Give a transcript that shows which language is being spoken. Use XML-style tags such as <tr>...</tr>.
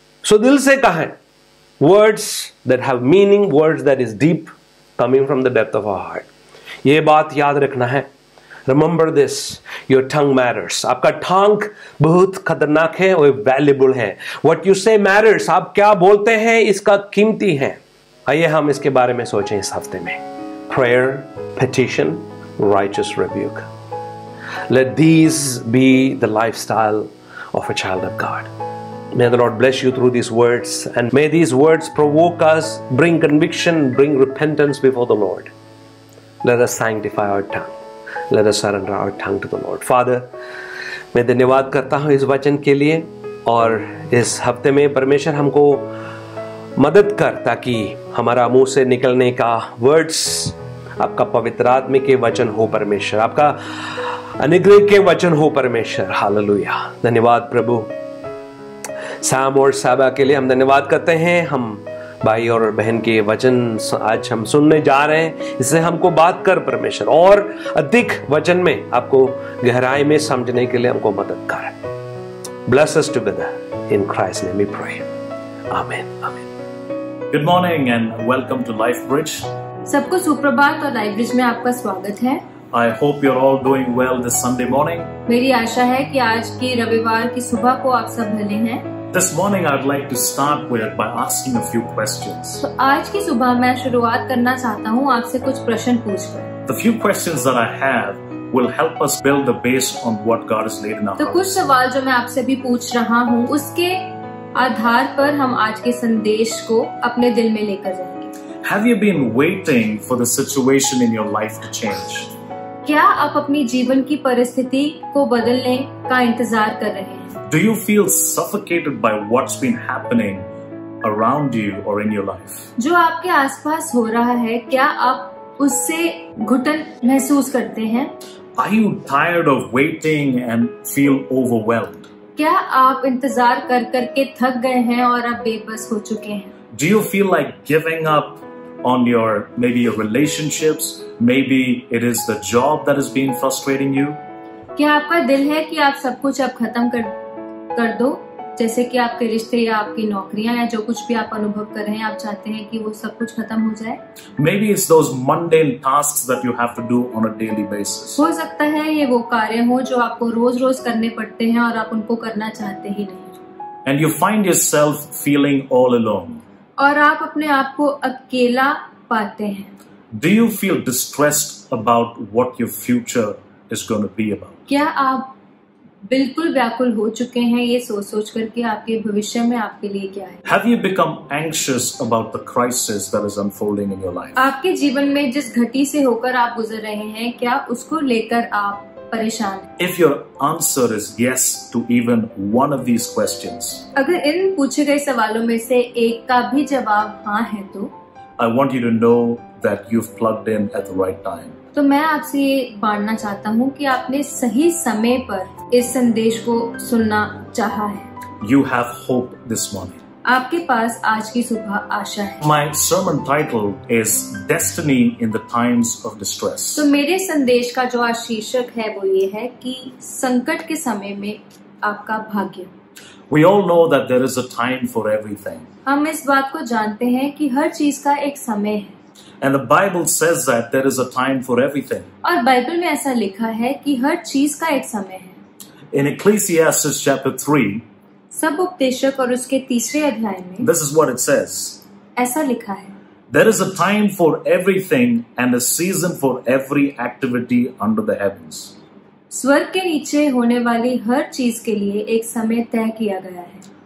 <hi>सो दिल से कहें,</hi> <en>Words that have meaning, words that is deep coming from the depth of our heart.</en> <hi>ये बात याद रखना है,</hi> <en>Remember this, your tongue matters.</en> <hi>आपका टंग बहुत खतरनाक है और वैल्यूबल है।</hi> <en>what you say matters,</en> <hi>आप क्या बोलते हैं इसका कीमती है। आइए हम इसके बारे में सोचें इस हफ्ते में।</hi> <en>Prayer, petition, righteous rebuke, let these be the lifestyle of a child of God. May the Lord bless you through these words, and may these words provoke us, bring conviction, bring repentance before the Lord. Let us sanctify our tongue. Let us surrender our tongue to the Lord.</en> <hi>Father, मैं धन्यवाद करता हूँ इस वचन के लिए, और इस हफ्ते में परमेश्वर हमको मदद कर ताकि हमारा मुंह से निकलने का words आपका पवित्र आत्मिक के वचन हो परमेश्वर, आपका अनुग्रह के वचन हो परमेश्वर। हालेलुया, धन्यवाद प्रभु। साम और साबा के लिए हम धन्यवाद करते हैं। हम भाई और बहन के वचन आज हम सुनने जा रहे हैं, इससे हमको बात कर परमेश्वर, और अधिक वचन में आपको गहराई में समझने के लिए हमको मदद कर।</hi> <en>Bless us together in Christ name we pray, amen amen. Good morning and welcome to life bridge.</en> <hi>सबको सुप्रभात, और लाइफ ब्रिज में आपका स्वागत है।</hi> <en>I hope you're all doing well this Sunday morning.</en> <hi>मेरी आशा है कि आज के रविवार की सुबह को आप सब भले हैं।</hi> <en>This morning I'd like to start with by asking a few questions.</en> <hi>तो आज की सुबह मैं शुरुआत करना चाहता हूँ आपसे कुछ प्रश्न पूछकर।</hi> <en>The few questions that I have will help us build the base on what God has laid in our</en> <hi>तो</hi> <en>hearts.</en> <hi>कुछ सवाल जो मैं आपसे भी पूछ रहा हूँ उसके आधार पर हम आज के संदेश को अपने दिल में लेकर जाएंगे।</hi> <en>Have you been waiting for the situation in your life to change?</en> <hi>क्या आप अपनी जीवन की परिस्थिति को बदलने का इंतजार कर रहे हैं?</hi> <en>Do you feel suffocated by what's been happening around you or in your life?</en> <hi>जो आपके आसपास हो रहा है, क्या आप उससे घुटन महसूस करते हैं?</hi> <en>Are you tired of waiting and feel overwhelmed?</en> <hi>क्या आप इंतजार कर करके थक गए हैं और अब बेबस हो चुके हैं?</hi> <en>Do you feel like giving up on maybe your relationships? Maybe it is the job that has been frustrating you.</en> <hi>क्या आपका दिल है कि आप सब कुछ अब खत्म कर दो, जैसे कि आपके रिश्ते या आपकी नौकरियां या जो कुछ भी आप अनुभव कर रहे हैं, आप चाहते हैं कि वो सब कुछ खत्म हो जाए?</hi> <en>Maybe it's those mundane tasks that you have to do on a daily basis.</en> <hi>हो सकता है ये वो कार्य हो जो आपको रोज रोज करने पड़ते हैं और आप उनको करना चाहते ही नहीं।</hi> <en>And you find yourself feeling all alone.</en> <hi>और आप अपने आप को अकेला पाते हैं।</hi> <en>Do you feel distressed about what your future is going to be about?</en> <hi>क्या आप बिल्कुल व्याकुल हो चुके हैं ये सोच सोच करके आपके भविष्य में आपके लिए क्या है?</hi> <en>Have you become anxious about the crisis that is unfolding in your life?</en> <hi>आपके जीवन में जिस घटी से होकर आप गुजर रहे हैं, क्या उसको लेकर आप परेशान हैं?</hi> <en>If your answer is yes to even one of these questions,</en> <hi>अगर इन पूछे गए सवालों में से एक का भी जवाब हाँ है तो</hi> <en>I want you to know that you've plugged in at the right time.</en> <hi>तो मैं आपसे ये बांटना चाहता हूँ कि आपने सही समय पर इस संदेश को सुनना चाहा है।</hi> <en>You have hope this morning.</en> <hi>आपके पास आज की सुबह आशा है।</hi> <en>My sermon title is Destiny in the Times of Distress।</en> <hi>तो मेरे संदेश का जो आज शीर्षक है वो ये है कि संकट के समय में आपका भाग्य।</hi> <en>We all know that there is a time for everything।</en> <hi>हम इस बात को जानते हैं कि हर चीज का एक समय है।</hi> <en>And the Bible says that there is a time for everything।</en> <hi>और बाइबल में ऐसा लिखा है कि हर चीज का एक समय है।</hi> <en>In Ecclesiastes chapter 3,</en> <hi>सब उपदेशक और उसके तीसरे अध्याय में</hi> <en>This is what it says।</en> <hi>ऐसा लिखा है।</hi> <en>There is a time for everything and a season for every activity under the heavens।</en> <hi>स्वर्ग के नीचे होने वाली हर चीज के लिए एक समय तय किया गया है।</hi>